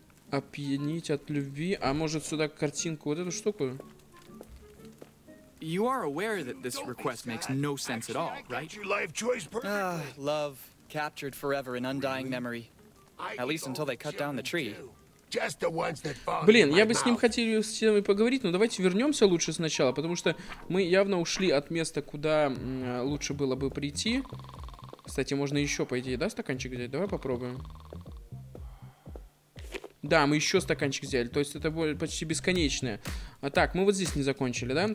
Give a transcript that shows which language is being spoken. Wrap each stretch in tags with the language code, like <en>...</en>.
<ru>Опьянить от любви, а может сюда картинку, вот эту штуку?</ru> <en>You are aware that this request makes no sense at all, right? Love captured forever in undying memory. At least until they cut down the tree. Just the ones that fall.</en> <ru>Блин, я бы с ним хотел поговорить, но давайте вернемся лучше сначала, потому что мы явно ушли от места, куда лучше было бы прийти. Кстати, можно еще по идее, да, стаканчик взять. Давай попробуем. Да, мы еще стаканчик взяли, то есть это почти бесконечное. А так, мы вот здесь не закончили, да?</ru>